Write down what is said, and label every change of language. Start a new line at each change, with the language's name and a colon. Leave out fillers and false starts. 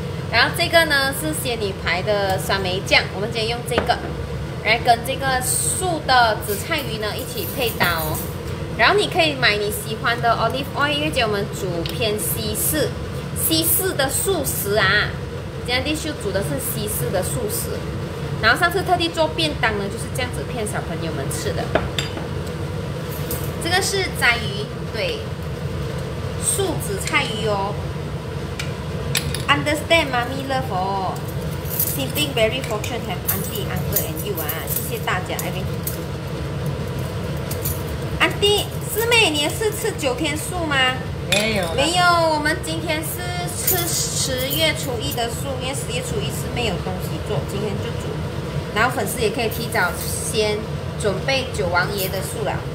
Chinese: 然后这个呢是仙女牌的酸梅酱，我们今天用这个来跟这个素的紫菜鱼呢一起配搭哦，然后你可以买你喜欢的 olive oil， 因为今天我们煮偏西式的素食啊，今天弟秀煮的是西式的素食，然后上次特地做便当呢就是这样子骗小朋友们吃的。这个是斋鱼，对，素紫菜鱼哦，
English: understand mommy love
Chinese: 哦。
English: I think very fortunate have auntie, uncle and you 啊，
Chinese: 谢谢大家
English: Irene。
Chinese: auntie 师妹你是吃九天素吗？没有，我们今天是吃十月初一的素，因为十月初一是没有东西做，今天就煮，然后粉丝也可以提早先准备九王爷的素了。